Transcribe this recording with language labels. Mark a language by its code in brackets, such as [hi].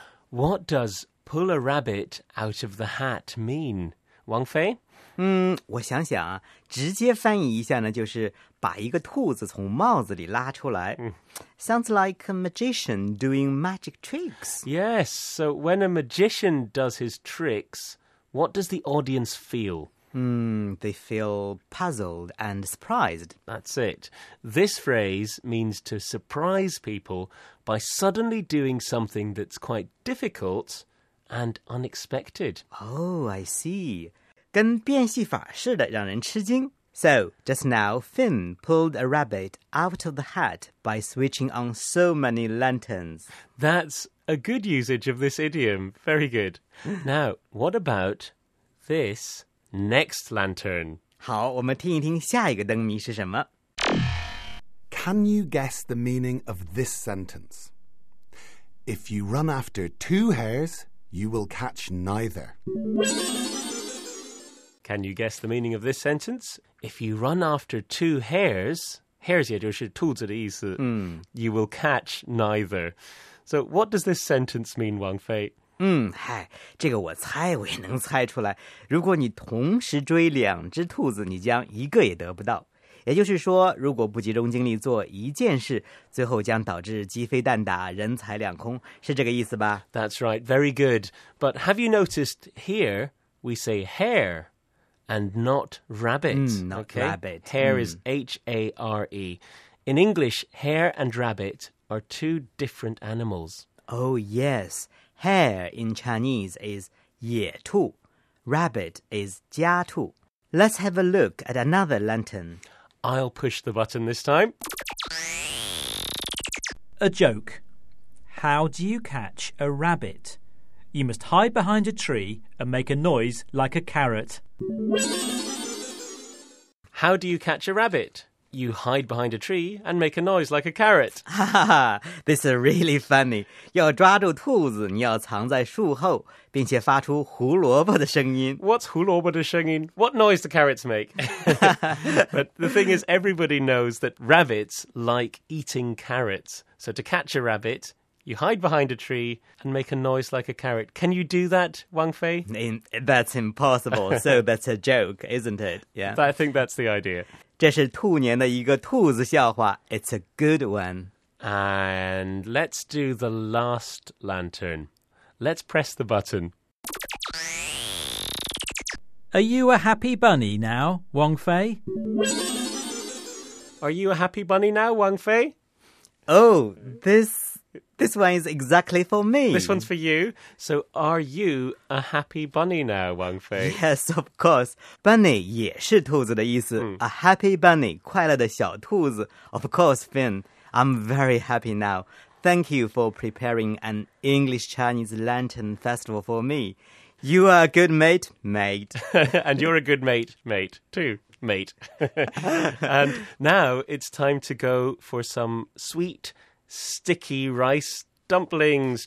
[en] What does pull a rabbit out of the hat mean? [zh] 王菲？我想想啊，直接翻译一下呢，就是把一个兔子从帽子里拉出来。 [en] Sounds like a magician doing magic tricks. Yes, so when a magician does his tricks, what does the audience feel? They feel puzzled and surprised. That's it. This phrase means to surprise people by suddenly doing something that's quite difficult and unexpected. Oh, I see. [zh] 跟变戏法似的，让人吃惊。 [en] So, just now, Finn pulled a rabbit out of the hat by switching on so many lanterns. That's a good usage of this idiom. Very good. Now, what about this next lantern? [zh] 好，我们听一听下一个灯谜是什么。 [en] Can you guess the meaning of this sentence? If you run after two hares, you will catch neither. Can you guess the meaning of this sentence? If you run after two hares, hares [zh] 也就是兔子的意思 [en] you will catch neither. So what does this sentence mean, Wang Fei? [zh] 这个我猜我也能猜出来。如果你同时追两只兔子，你将一个也得不到。也就是说，如果不集中精力做一件事，最后将导致鸡飞蛋打，人财两空，是这个意思吧？ [en] That's right, very good. But have you noticed here we say hare? And not rabbit. Not rabbit. Hare is H-A-R-E. In English, hare and rabbit are two different animals. Oh, yes. Hare in Chinese is 野兔. Rabbit is 家兔. Let's have a look at another lantern. I'll push the button this time. A joke. How do you catch a rabbit? You must hide behind a tree and make a noise like a carrot. How do you catch a rabbit? You hide behind a tree and make a noise like a carrot. This is really funny. [zh] 要抓住兔子，你要藏在树后，并且发出胡萝卜的声音。 [en] What's [zh] 胡萝卜的声音? [en] What noise do carrots make? But the thing is, everybody knows that rabbits like eating carrots. So to catch a rabbit... You hide behind a tree and make a noise like a carrot. Can you do that, Wang Fei? That's impossible. So that's a joke, isn't it? Yeah. I think that's the idea. [zh] 这是兔年的一个兔子笑话. [en] It's a good one. And let's do the last lantern. Let's press the button. Are you a happy bunny now, Wang Fei? Are you a happy bunny now, Wang Fei? Oh, This one is exactly for me. This one's for you. So are you a happy bunny now, Wang Fei? Yes, of course. [zh] Bunny 也是兔子的意思。 [en] A happy bunny, [zh] 快乐的小兔子。 [en] Of course, Finn, I'm very happy now. Thank you for preparing an English-Chinese lantern festival for me. You are a good mate. And you're a good mate, too. mate. And now it's time to go for some sweet, sticky rice dumplings.